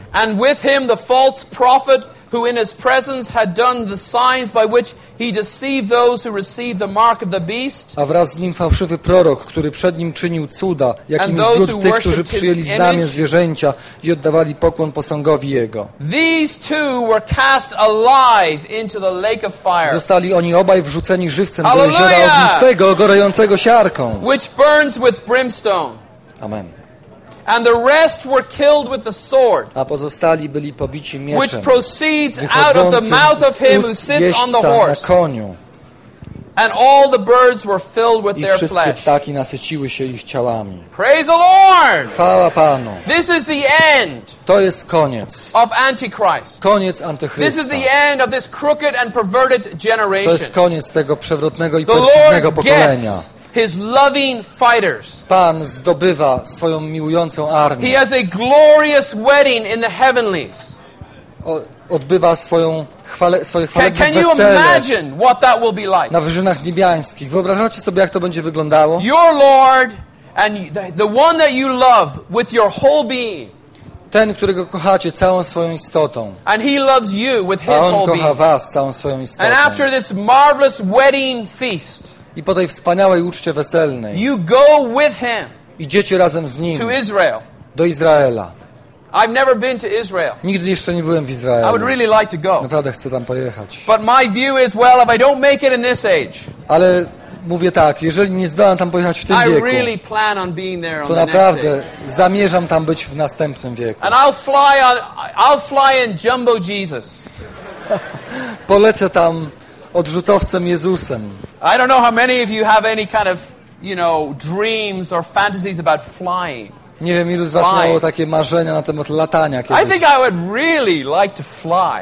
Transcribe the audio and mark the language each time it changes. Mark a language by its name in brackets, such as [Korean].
[English] And with him the false prophet who in his presence had done the signs by which he deceived those who received the mark of the beast. [Polish] A wraz z nim fałszywy prorok, który przed nim czynił cuda, jakim zwiódł tych, którzy przyjęli znamie zwierzęcia i oddawali pokłon posągowi jego. [English] These two were cast alive into the lake of fire. [Polish] Zostali oni obaj wrzuceni żywcem do jeziora ognistego, gorącego siarką. [English] Which burns with brimstone. Amen. And the rest were killed with the sword. [Polish] A pozostali byli pobici mieczem. [English] Which proceeds out of the mouth of him who sits on the horse. [Polish] Na koniu. [English] And all the birds were filled with [Polish] I [English] their flesh. [Polish] I wszystkie ptaki nasyciły się ich ciałami. [English] Praise the Lord. [Polish] Chwała Panu. [English] This is the end. [Polish] To jest koniec. [English] Of Antichrist. [Polish] Koniec Antychrysta. [English] This is the end of this crooked and perverted generation. [Polish] To jest koniec tego przewrotnego i perwidnego pokolenia. [English] His loving fighters. [Polish] Pan zdobywa swoją miłującą armię. [English] He has a glorious wedding in the heavenlies. [Polish] Odbywa swoją swoje chwalebne wesele. [English] Can you imagine what that will be like? [Polish] Na wyżynach niebiańskich. Wyobrażacie sobie, jak to będzie wyglądało? [English] Your Lord and the one that you love with your whole being. [Polish] Ten, którego kochacie całą swoją istotą. [English] And he loves you with his [Polish] a on [English] whole [Polish] kocha [English] being. [Polish] Was całą swoją istotą. [English] And after this marvelous wedding feast. [Polish] I po tej wspaniałej uczcie weselnej [English] you go with him [Polish] idziecie razem z nim [English] to Israel. [Polish] Do Izraela. [English] I've never been to Israel. [Polish] Nigdy jeszcze nie byłem w Izraelu. [English] I would really like to go. [Polish] Naprawdę chcę tam pojechać. [English] But my view is, well, if I don't make it in this age, [Polish] ale mówię tak, jeżeli nie zdołam tam pojechać w tym [English] I [Polish] wieku, [English] really plan on being there on [Polish] to naprawdę zamierzam tam być w następnym wieku. [English] And I'll fly in Jumbo Jesus. [Polish] Polecę tam odrzutowcem Jezusem. [English] I don't know how many of you have any kind of, you know, dreams or fantasies about flying. [Polish] Nie wiem, ilu z was miało takie marzenia na temat latania kiedyś. [English] I think I would really like to fly.